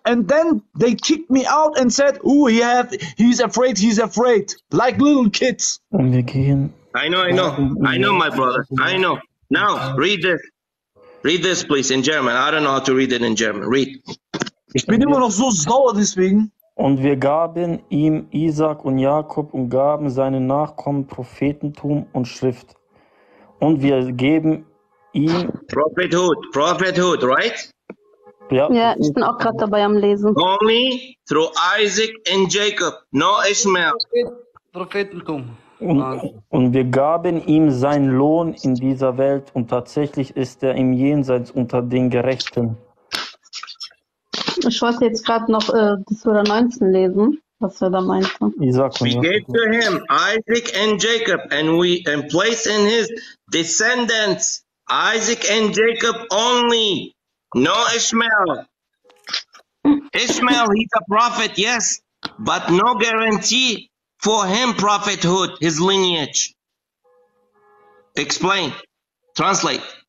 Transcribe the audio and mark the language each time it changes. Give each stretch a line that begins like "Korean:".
English: And then they kicked me out and said, "Ooh, he's afraid. Like little kids. I know, my brother. I know. Now, read this. Read this, please, in German. I don't know how to read it in German. Read.
German: Ich bin immer noch so sauer deswegen. Und wir gaben ihm Isaac und Jakob und gaben seinen Nachkommen Prophetentum und Schrift. Und wir geben ihm...
English: Prophethood, right?
German: Ja, ich bin auch gerade dabei am Lesen.
English: Only through Isaac and Jacob, no Ishmael.
German: Prophetentum. Und wir gaben ihm seinen Lohn in dieser Welt und tatsächlich ist er im Jenseits unter den Gerechten. ich wollte jetzt gerade noch das Sura 19 lesen, was er da meinte.
English: Isaac, we gave to him Isaac and Jacob and we and place in his descendants Isaac and Jacob only, no Ishmael. Ishmael, he's a prophet, yes, but no guarantee for him prophethood, his lineage. Explain. Translate.